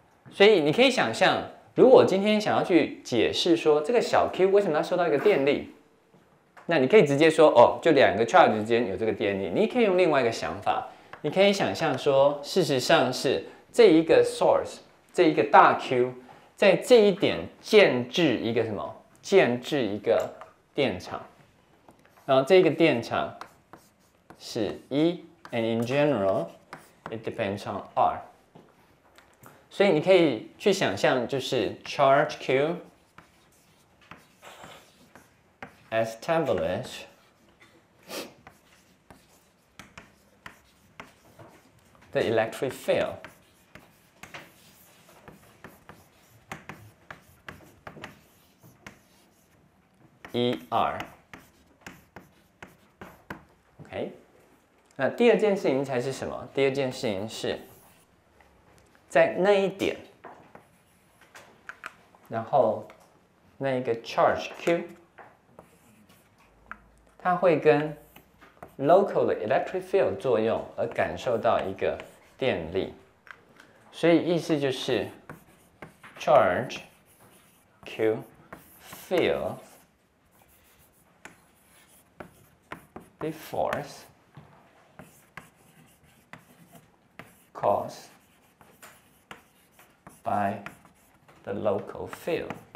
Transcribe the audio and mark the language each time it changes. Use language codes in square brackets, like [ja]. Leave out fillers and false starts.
[zh] 所以你可以想象，如果今天想要去解释说这个小 Q 为什么要受到一个电力，那你可以直接说哦，就两个 charge 之间有这个电力。你可以用另外一个想法。你可以想象说，事实上是这一个 source， 这一个大 Q， 在这一点建置一个什么？建置一个电场，然后这个电场是 E， [en] and in general， it depends on R。 [zh] 所以你可以去想象，就是 [en] charge Q establishThe electric field ER， [zh] OK。那第二件事情才是什么？第二件事情是在那一点，然后那一个 charge Q， 它会跟local 的 electric field 作用而感受到一个电力。所以意思就是 [en] charge Q feel the force caused by the local field。